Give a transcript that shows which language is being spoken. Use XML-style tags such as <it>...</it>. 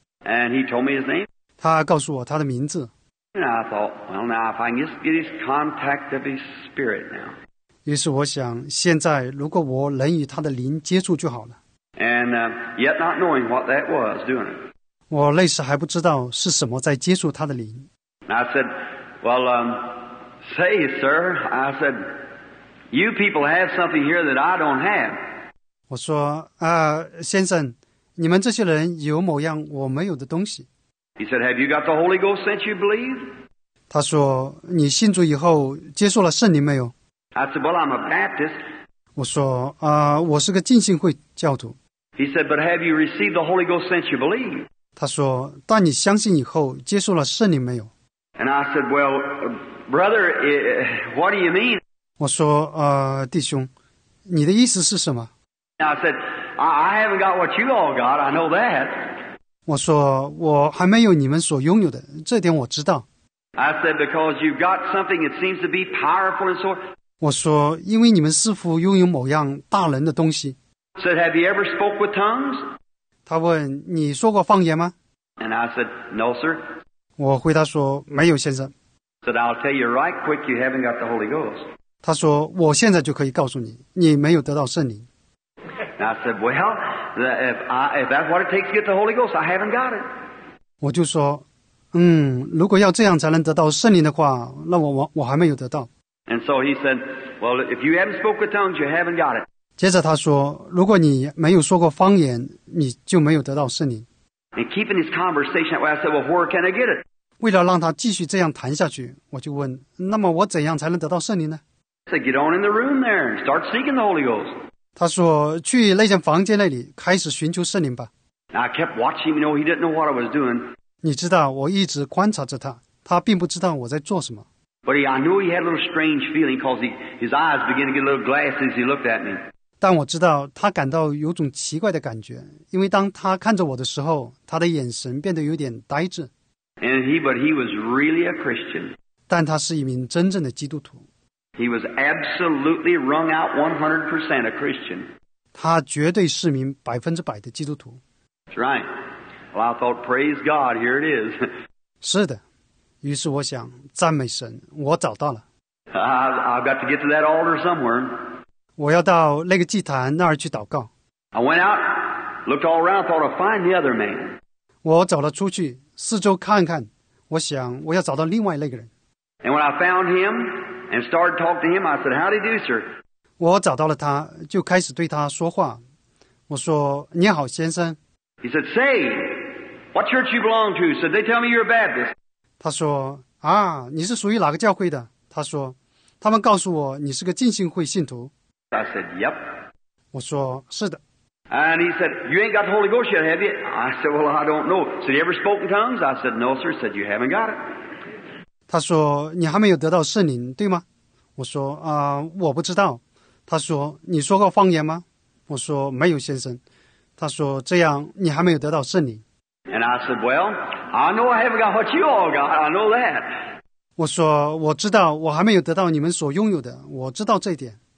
<en>And he told me his name.</en> <zh>他告诉我他的名字。</zh> <en>And I thought, well, now if I can just get his contact of his spirit now.</en> <zh>于是我想，现在如果我能与他的灵接触就好了。</zh> <en>And yet not knowing what that was doing it.</en> <zh>我那时还不知道是什么在接触他的灵。</zh> <en>I said, well, say, sir, I said, you people have something here that I don't have.</en> <zh>我说，先生，你们这些人有某样我没有的东西。</zh> <en>He said, have you got the Holy Ghost since you believe?</en> <zh>他说，你信主以后接受了圣灵没有？</zh> <en>I said, well, I'm a Baptist.</en> <zh>我说，我是个浸信会教徒。</zh> <en>He said, but have you received the Holy Ghost since you believe?</en> <zh>他说，但你相信以后接受了圣灵没有？</zh> <en>And I said, well, brother, what do you mean?</en> <zh>我说，弟兄，你的意思是什么？</zh> <en>I said, I haven't got what you all got, I know that.</en> <zh>我说，我还没有你们所拥有的，这点我知道。</zh> <en>I said, because you've got something that seems to be powerful and so on.</en> <zh>我说，因为你们似乎拥有某样大能的东西。</zh> <en>I said, have you ever spoke with tongues?</en> <zh>他问，你说过方言吗？</zh> <en>And I said, no, sir.</en> <zh>我回答说，没有，先生。</zh> <en>I said, I'll tell you right quick, you haven't got the Holy Ghost.</en> <zh>他说，我现在就可以告诉你，你没有得到圣灵。</zh> <en>And I said, well, if that's what it takes to get the Holy Ghost, I haven't got it.</en> <zh>我就说，如果要这样才能得到圣灵的话，那我还没有得到。</zh> <en>And so he said, well, if you haven't spoke with tongues, you haven't got it.</en> <zh>接着他说，如果你没有说过方言，你就没有得到圣灵。</zh> <en>And keeping his conversation that way, I said, well, where can I get it?</en> <zh>为了让他继续这样谈下去，我就问，那么我怎样才能得到圣灵呢？</zh> <en>I said, get on in the room there and start seeking the Holy Ghost.</en> <zh>他说，去那间房间那里开始寻求圣灵吧。</zh> <en>And I kept watching, you know, he didn't know what I was doing.</en> <zh>你知道，我一直观察着他，他并不知道我在做什么。</zh> <en>But I knew he had a little strange feeling because his eyes began to get a little glassy as he looked at me.</en> <zh>但我知道他感到有种奇怪的感觉，因为当他看着我的时候，他的眼神变得有点呆滞。</zh> <en>And he was really a Christian.</en> <zh>但他是一名真正的基督徒。</zh> <en>He was absolutely wrung out 100% a Christian.</en> <zh>他绝对是名100%的基督徒。</zh> <en>That's right. Well, I thought, praise God, here it is.</en> <zh>是的。于是我想，赞美神，我找到了。</zh> <en>I've got to get to that altar somewhere.</en> <zh>我要到那个祭坛那儿去祷告。</zh> <en>I went out, looked all around, thought I'd find the other man.</en> <zh>我走了出去，四周看看，我想我要找到另外那个人。</zh> <en>And when I found him and started talking to him, I said, how do you do, sir?</en> <zh>我找到了他，就开始对他说话。我说，你好，先生。</zh> <en>He said, say, what church you belong to? He said, they tell me you're a Baptist.</en> <zh>他说，你是属于哪个教会的？他说，他们告诉我你是个浸信会信徒。</zh> <en>I said, yep.</en> <zh>我说，是的。</zh> <en>And he said, you ain't got the Holy Ghost yet, have you? I said, well, I don't know. So you ever spoken tongues? I said, no, sir. He said, you haven't got it.</en> <zh>他说，你还没有得到圣灵，对吗？我说，我不知道。他说，你说过方言吗？我说，没有，先生。他说，这样你还没有得到圣灵。</zh> <en>And I said, well, I know I haven't got what you all got, I know that.</en> <zh>我说，我知道我还没有得到你们所拥有的，我知道这一点。</zh>